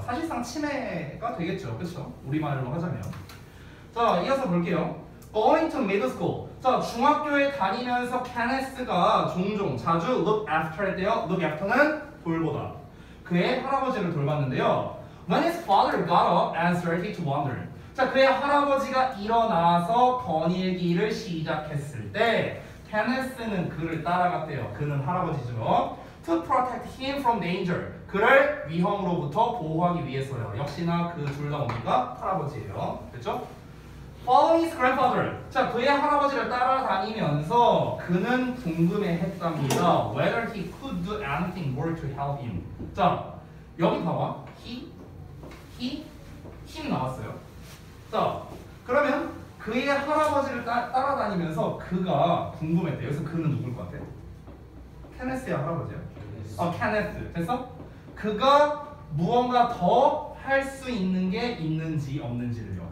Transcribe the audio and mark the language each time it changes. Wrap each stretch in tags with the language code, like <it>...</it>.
<ko>사실상 치매가 되겠죠. 그렇죠? 우리말로 하자면. 자, 이어서 볼게요.</ko> <en>Going to middle school.</en> <ko>자, 중학교에 다니면서 케네스가 종종 자주 look after 했대요. Look after는 돌보다. 그의 할아버지를 돌봤는데요.</ko> <en>When his father got up and started to wander.</en> <ko>자, 그의 할아버지가 일어나서 거닐기를 시작했을 때 케네스는 그를 따라갔대요. 그는 할아버지죠.</ko> <en>To protect him from danger.</en> <ko>그를 위험으로부터 보호하기 위해서요. 역시나 그 둘 다 뭡니까? 할아버지예요. 그렇죠?</ko> <en>Following his grandfather.</en> <ko>자, 그의 할아버지를 따라다니면서 그는 궁금해했답니다.</ko> <en>Whether he could do anything more to help him.</en> <ko>자, 여기 봐봐. him 나왔어요. 자, 그러면 그의 할아버지를 따라다니면서 그가 궁금했대. 여기서 그는 누굴 것 같아? 케네스의 할아버지야. 케네스. 됐어? 그가 무언가 더 할 수 있는 게 있는지 없는지를요.</ko>